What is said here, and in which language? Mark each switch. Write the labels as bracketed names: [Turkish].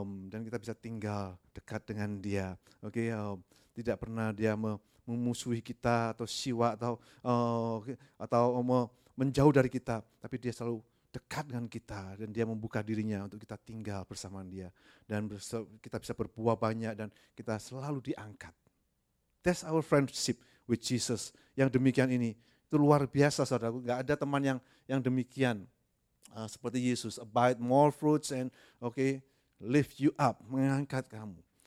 [Indonesian] Dan kita bisa tinggal dekat dengan dia. Oke, tidak pernah dia memusuhi kita atau siwa atau menjauh dari kita, tapi dia selalu dekat dengan kita dan dia membuka dirinya untuk kita tinggal bersama dia, dan kita bisa berbuah banyak dan kita selalu diangkat. [English] That's our friendship with Jesus. [Indonesian] Yang demikian ini itu luar biasa, saudaraku. Enggak ada teman yang demikian seperti Yesus. [English] Abide more fruits and okay, lift you up, [Indonesian] mengangkat kamu.